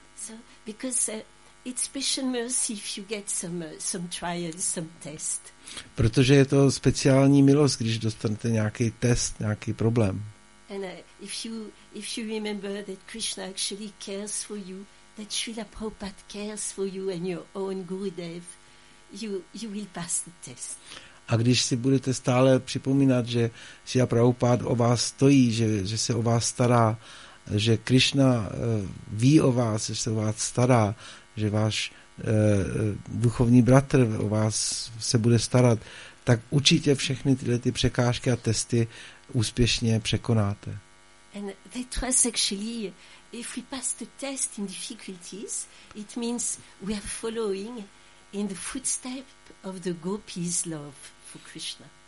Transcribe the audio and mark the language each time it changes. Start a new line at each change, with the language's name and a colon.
English: So, because it's special mercy if you get some trial, some test.
Czech: Protože je to speciální milost, když dostanete nějaký test, nějaký problém.
English: And if you remember that Krishna actually cares for you, that Srila Prabhupada cares for you and your own Gurudev, you will pass the test.
Czech: A když si budete stále připomínat, že Srila Prabhupada o vás stojí, že se o vás stará, že Krishna ví o vás, že se o vás stará, že váš duchovní bratr o vás se bude starat, tak určitě všechny tyhle ty překážky a testy úspěšně překonáte.
English: And that was actually, if we pass the test in difficulties, it means we are following in the footsteps of the gopis' love for Krishna.